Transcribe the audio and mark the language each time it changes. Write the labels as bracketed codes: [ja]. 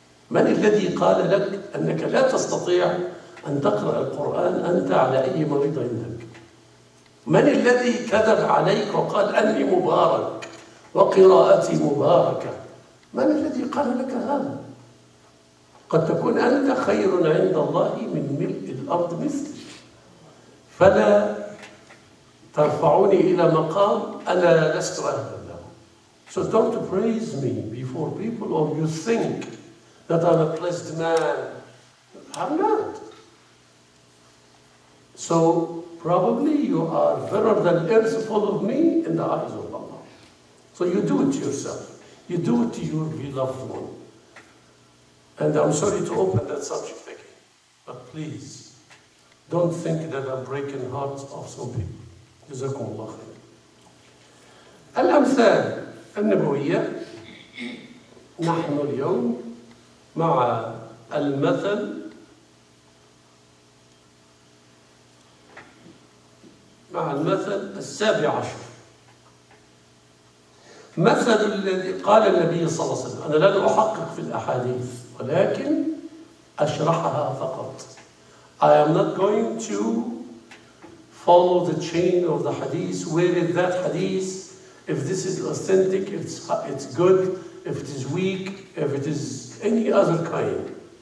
[ar] من الذي قال لك أنك لا تستطيع أن تقرأ القرآن أنت على أي مريض عندك؟ من الذي كذب عليك وقال أني مبارك وقراءتي مباركة؟ من الذي قال لك هذا؟ قد تكون أنت خير عند الله من ملء الأرض مثلك، فلا ترفعوني إلى مقام أنا لست أهلاً له. [en] So don't praise me before people or you think that I'm a blessed man. I'm not. So probably you are better than earth full of me in the eyes of Allah. So you do it to yourself. You do it to your beloved one. And I'm sorry to open that subject again. But please, don't think that I'm breaking hearts of some people. [ar] جزاكم الله خير. الأمثال النبوية. نحن اليوم مع المثل السابع عشر. مثل الذي قال النبي صلى الله عليه وسلم، أنا لن أحقق في الأحاديث ولكن أشرحها فقط. [en] I am not going to follow the chain of the hadith, where is that hadith, if this is authentic, it's good, if it is weak, if it is any other kind.